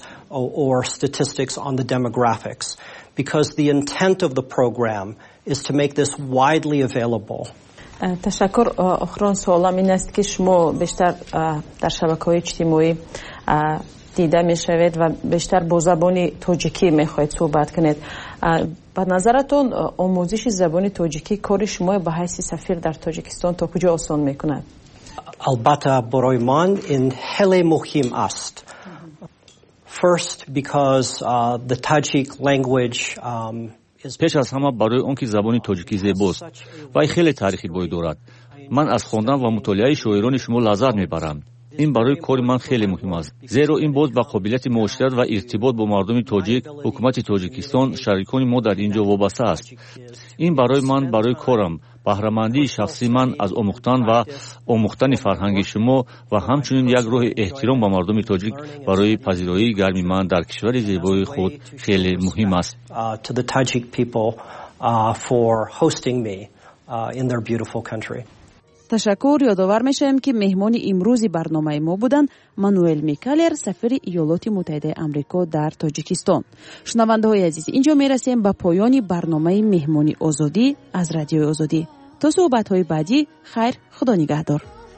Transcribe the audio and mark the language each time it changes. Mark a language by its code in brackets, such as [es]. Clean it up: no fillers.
[en] Or statistics on the demographics because the intent of the program is to make this widely available. [fa] تشکر. آخرون سوالم این است که شما بیشتر در شبکه‌های اجتماعی دیده می شوید و بیشتر با زبان تاجیکی می خواهید صحبت کنید. به نظرتون آموزش زبان تاجیکی کار شما به حیث سفیر در تاجیکستان تا کجا آسان می کند؟ البته برای من این خیلی مهم است. [en] First, because the Tajik language [fa] پیش از همه برای اون که زبان تاجیکی زیباست و خیلی تاریخی بوی دارد. من از خواندن و مطالعه شاعران شما لذت میبرم. این برای کار من خیلی مهم است، زیرا این باز به قابلیت معاشرت و ارتباط با مردم تاجیک، حکومت تاجیکستان، شریکان ما در اینجا وابسته است. این برای من، برای کارم، بهره‌مندی شخصی من از آموختن و آموختن فرهنگ شما و همچنین یک روح احترام به مردم تاجیک برای پذیرایی گرمی من در کشور زیبای خود خیلی مهم است. [en] To the Tajik people for hosting me in their beautiful country. [fa] تشکر. یادآور میشویم که مهمان امروز برنامه ما بودند مانوئل میکلر، سفیر ایالات متحده آمریکا در تاجیکستان. شنونده های عزیز، اینجا میرسیم به پایان برنامه مهمان آزادی از رادیو آزادی. تا صحبت های بعدی، خیر، خدا نگهدار.